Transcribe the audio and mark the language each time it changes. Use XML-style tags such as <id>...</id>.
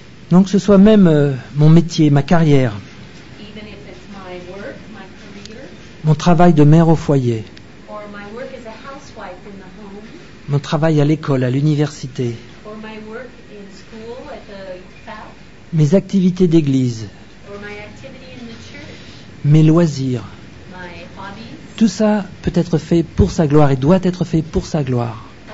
<fr>Donc ce soit même mon métier, ma carrière,</fr> <en>even if it's my work, my career,</en> <fr>mon travail de mère au foyer,</fr> <en>or my work as a housewife in the home,</en> <fr>mon travail à l'école, à l'université,</fr> <en>or my work in school at the FAP,</en> <fr>mes activités d'église,</fr> <en>or my activity in the church,</en> <fr>mes loisirs,</fr> <en>my hobbies,</en> <fr>tout ça peut être fait pour sa gloire et doit être fait pour sa gloire.</fr>